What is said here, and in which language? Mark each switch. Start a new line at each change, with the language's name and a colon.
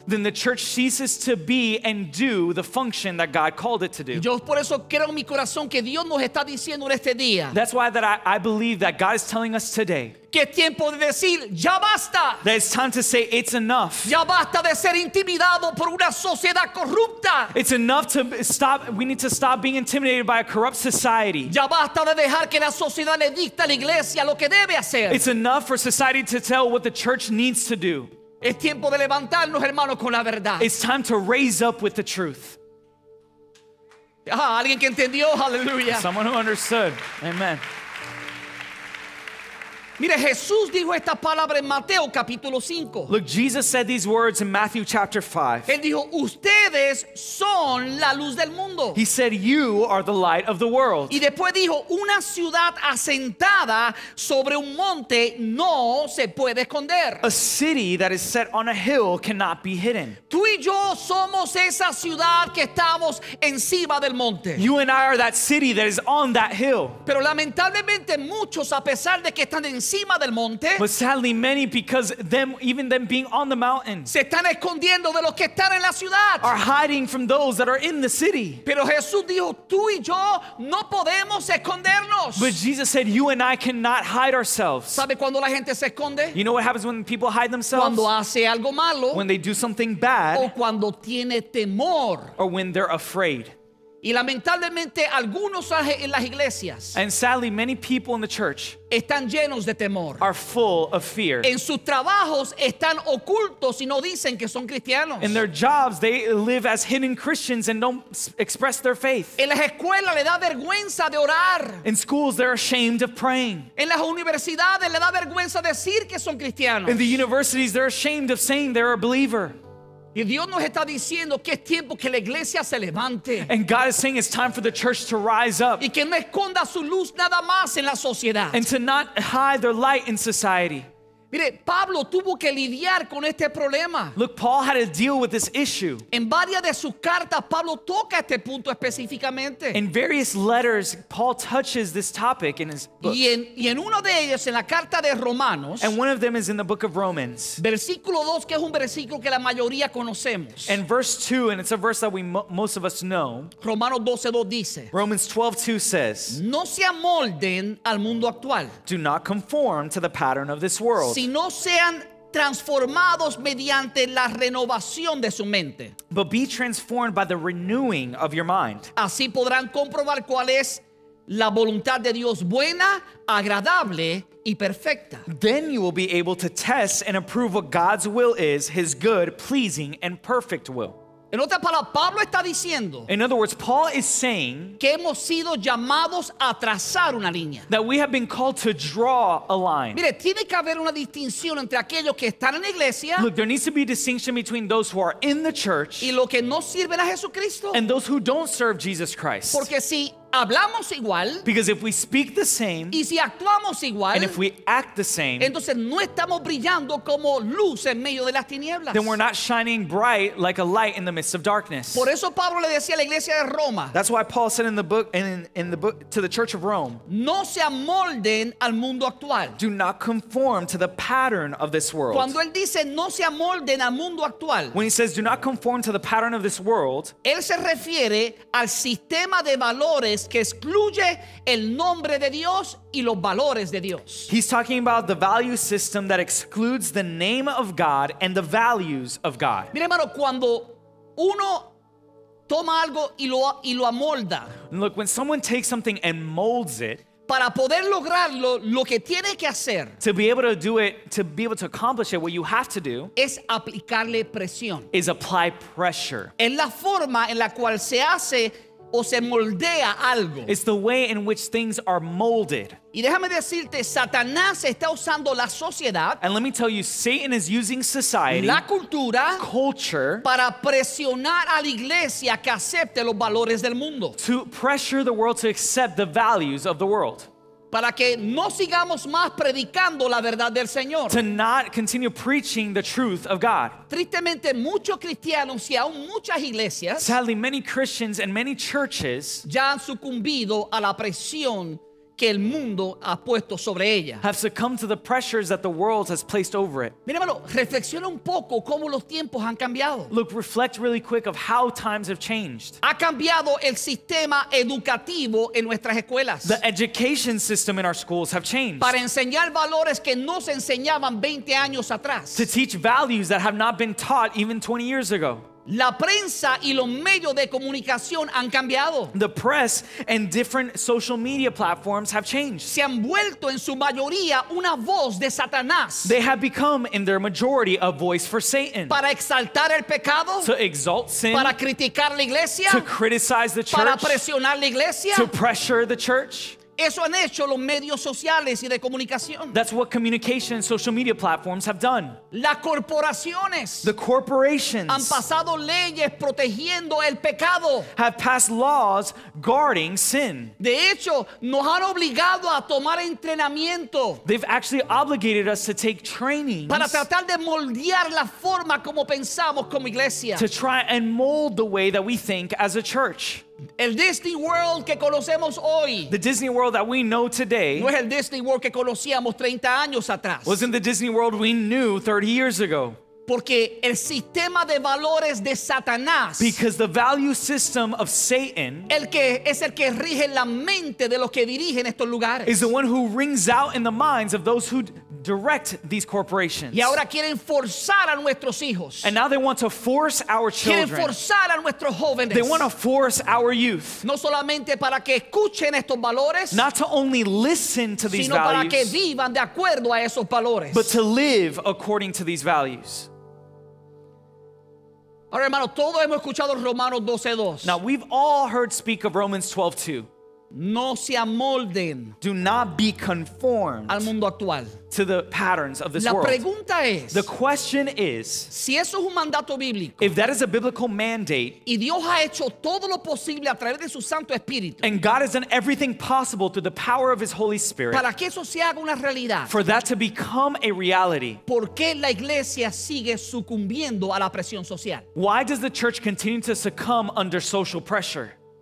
English: Then the church ceases to be and do the function that God called it to do.
Spanish: Yo por eso creo en mi corazón que Dios nos está diciendo en este día.
English: That's why that I believe that God is telling us today.
Spanish: Que es tiempo de decir ya basta.
English: That it's time to say it's enough.
Spanish: Ya basta de ser intimidado por una sociedad corrupta.
English: It's enough to stop. We need to stop being intimidated by a corrupt society.
Spanish: Ya basta de dejar que la sociedad le dicte a la iglesia lo que debe hacer.
English: It's enough for society to tell what the church needs to do.
Spanish: Es tiempo de levantarnos, hermanos, con la verdad.
English: It's time to raise up with the truth.
Spanish: Ah, alguien que entendió, hallelujah.
English: Someone who understood, amen.
Spanish: Mire, Jesús dijo esta palabra en Mateo capítulo 5.
English: Look, Jesus said these words in Matthew chapter 5.
Spanish: Él dijo, ustedes son la luz del mundo.
English: He said, you are the light of the world.
Spanish: Y después dijo, una ciudad asentada sobre un monte no se puede esconder.
English: A city that is set on a hill cannot be hidden.
Spanish: Tú y yo somos esa ciudad que estamos encima del monte.
English: You and I are that city that is on that hill.
Spanish: Pero lamentablemente muchos, a pesar de que están en encima del monte,
English: but sadly many, because them, even them being on the mountain,
Spanish: se están escondiendo de los que están en la ciudad,
English: are hiding from those that are in the city.
Spanish: Pero Jesús dijo, tú y yo no podemos escondernos.
English: But Jesus said, you and I cannot hide ourselves.
Spanish: ¿Sabe cuando la gente se esconde?
English: You know what happens when people hide themselves?
Spanish: Cuando hace algo malo.
English: When they do something bad.
Spanish: O cuando tiene temor.
English: Or when they're afraid.
Spanish: Y lamentablemente algunos en las iglesias.
English: And sadly many people in the church.
Spanish: Están llenos de temor.
English: Are full of fear.
Spanish: En sus trabajos están ocultos y no dicen que son cristianos.
English: In their jobs they live as hidden Christians and don't express their faith.
Spanish: En las escuelas le da vergüenza de orar.
English: In schools they're ashamed of praying.
Spanish: En las universidades le da vergüenza decir que son cristianos.
English: In the universities they're ashamed of saying they're a believer.
Spanish: Y Dios nos está diciendo que es tiempo que la iglesia se levante.
English: And God is saying it's time for the church to rise up.
Spanish: Y que no esconda su luz nada más en la sociedad.
English: And to not hide their light in society.
Spanish: Mire, Pablo tuvo que lidiar con este problema.
English: Look, Paul had to deal with this issue.
Spanish: En varias de sus cartas, Pablo toca este punto específicamente.
English: In various letters, Paul touches this topic in his book.
Spanish: Y en uno de ellos, en la carta de Romanos.
English: And one of them is in the book of Romans.
Spanish: Versículo 2, que es un versículo que la mayoría conocemos.
English: And verse 2, and it's a verse that most of us know.
Spanish: Romanos 12:2 dice.
English: Romans 12:2 says.
Spanish: No se amolden al mundo actual.
English: Do not conform to the pattern of this world.
Spanish: Sino sean transformados mediante la renovación de su mente.
English: But be transformed by the renewing of your mind.
Spanish: Así podrán comprobar cuál es la voluntad de Dios buena, agradable y perfecta.
English: Then you will be able to test and approve what God's will is, his good, pleasing, and perfect will.
Spanish: En otras palabras, Pablo está diciendo.
English: In other words, Paul is saying.
Spanish: Que hemos sido llamados a trazar una línea.
English: That we have been called to draw a line.
Spanish: Mire, tiene que haber una distinción entre aquellos que están en la iglesia.
English: Look, there needs to be a distinction between those who are in the church.
Spanish: Y los que no sirven a Jesucristo.
English: And those who don't serve Jesus Christ.
Spanish: Porque si hablamos igual.
English: Because if we speak the same.
Spanish: Y si actuamos igual.
English: And if we act the same.
Spanish: Entonces no estamos brillando como luz en medio de las tinieblas.
English: Then we're not shining bright like a light in the midst of darkness.
Spanish: Por eso Pablo le decía a la iglesia de Roma.
English: That's why Paul said in the book to the church of Rome.
Spanish: No se amolden al mundo actual.
English: Do not conform to the pattern of this world.
Spanish: Cuando él dice no se amolden al mundo actual.
English: When he says do not conform to the pattern of this world.
Spanish: Él se refiere al sistema de valores que excluye el nombre de Dios y los valores de Dios.
English: He's talking about the value system that excludes the name of God and the values of God.
Spanish: Mira, hermano, cuando uno toma algo y lo amolda.
English: Look, when someone takes something and molds it,
Spanish: para poder lograrlo, lo que tiene que hacer,
English: to be able to do it, to be able to accomplish it, what you have to do
Spanish: es aplicarle presión.
English: Is apply pressure.
Spanish: Es la forma en la cual se hace o se moldea algo.
English: It's the way in which things are molded.
Spanish: Y déjame decirte, Satanás está usando la sociedad.
English: And let me tell you, Satan is using society,
Spanish: la cultura,
English: culture,
Spanish: para presionar a la iglesia que acepte los valores del mundo.
English: To pressure the world to accept the values of the world.
Spanish: Para que no sigamos más predicando la verdad del Señor.
English: To not continue preaching the truth of God.
Spanish: Tristemente, muchos cristianos y aún muchas iglesias,
English: sadly, many Christians and many churches,
Spanish: ya han sucumbido a la presión que el mundo ha puesto sobre ella.
English: Have succumbed to the pressures that the world has placed over it.
Spanish: Mira, hermano, reflexiona un poco cómo los tiempos han cambiado.
English: Look, reflect really quick of how times have changed.
Spanish: Ha cambiado el sistema educativo en nuestras escuelas.
English: The education system in our schools have changed.
Spanish: Para enseñar valores que no se enseñaban 20 años atrás.
English: To teach values that have not been taught even 20 years ago.
Spanish: La prensa y los medios de comunicación han cambiado.
English: The press and different social media platforms have changed.
Spanish: Se han vuelto en su mayoría una voz de Satanás.
English: They have become in their majority a voice for Satan.
Spanish: Para exaltar el pecado.
English: To exalt sin.
Spanish: Para criticar la iglesia.
English: To criticize the church.
Spanish: Para presionar la iglesia.
English: To pressure the church.
Spanish: Eso han hecho los medios sociales y de comunicación.
English: That's what communication and social media platforms have done.
Spanish: Las corporaciones.
English: The corporations.
Spanish: Han pasado leyes protegiendo el pecado.
English: Have passed laws guarding sin.
Spanish: De hecho, nos han obligado a tomar entrenamiento.
English: They've actually obligated us to take trainings.
Spanish: Para tratar de moldear la forma como pensamos como iglesia.
English: To try and mold the way that we think as a church.
Spanish: El Disney World que conocemos hoy,
English: the Disney World that we know today,
Spanish: no es el Disney World que conocíamos 30 años atrás,
English: wasn't the Disney World we knew 30 years ago.
Spanish: Porque el sistema de valores de Satanás,
English: because the value system of Satan,
Spanish: el que es el que rige la mente de los que dirigen estos lugares,
English: is the one who rings out in the minds of those who direct these corporations.
Spanish: Y ahora quieren forzar a nuestros hijos.
English: And now they want to force our children.
Spanish: Quieren forzar a nuestros jóvenes.
English: They want to force our youth.
Spanish: No solamente para que escuchen estos valores,
English: not to only listen to these
Spanish: sino
English: values,
Spanish: sino para que vivan de acuerdo a esos valores,
English: but to live according to these values.
Spanish: Ahora, hermano, todos hemos escuchado Romanos 12:2.
English: Now we've all heard speak of Romans 12:2.
Spanish: No se amolden.
English: Do not be conformed
Spanish: al mundo actual.
English: To the patterns of this
Spanish: la
English: world.
Spanish: Pregunta es,
English: the question is,
Spanish: si eso es un mandato bíblico,
English: if that is a biblical mandate,
Spanish: y Dios ha hecho todo lo posible a través de su Santo Espíritu,
English: and God has done everything possible through the power of His Holy Spirit,
Spanish: para que eso se haga una realidad,
English: for that to become a reality,
Spanish: ¿por qué la iglesia sigue sucumbiendo a la presión social?
English: Why does the church continue to succumb under social pressure?